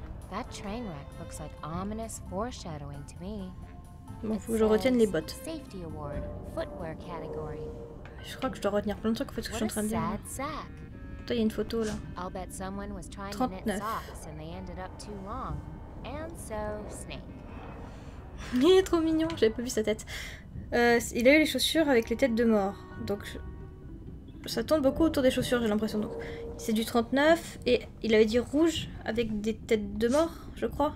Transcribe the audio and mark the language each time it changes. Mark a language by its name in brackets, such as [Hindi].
[English] That train wreck looks like ominous foreshadowing to me. [French] Bon, faut que je retienne les bottes. [English] Safety award, footwear category. [French] Je crois que je dois retenir plein de trucs en fait, ce que je suis en train de dire. [English] Sack. [French] Il y a une photo là. [English] I'll bet someone was trying to knit socks and they ended up too long. And so snake. [French] Il est trop mignon, j'avais pas vu sa tête. Il a eu les chaussures avec les têtes de mort. Donc ça tourne beaucoup autour des chaussures, j'ai l'impression. Donc, c'est du 39 et il avait dit rouge avec des têtes de mort, je crois.